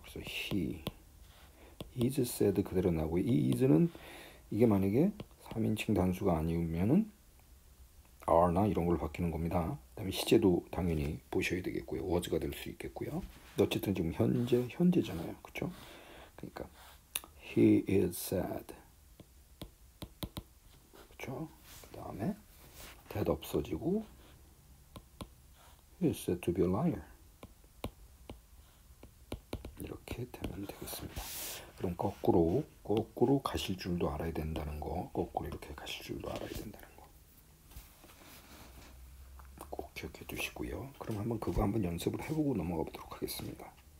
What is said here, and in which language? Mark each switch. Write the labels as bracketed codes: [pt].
[ko] 그래서 [en] he is said [ko] 그대로 나오고, 이 is는 이게 만약에 3인칭 단수가 아니면은 are나 이런 걸로 바뀌는 겁니다. 그다음에 시제도 당연히 보셔야 되겠고요. was가 될수 있겠고요. 어쨌든 지금 현재잖아요. 그렇죠? 그러니까 [en] he is sad. [ko] 그렇죠? 그다음에 [en] that [ko] 없어지고 [en] he is said to be a liar. [ko] 이렇게 되면 되겠습니다. 그럼 거꾸로 가실 줄도 알아야 된다는 거, 거꾸로 이렇게 가실 줄도 알아야 된다는 거. 꼭 기억해 두시고요. 그럼 한번 그거 한번 연습을 해보고 넘어가 보도록 하겠습니다.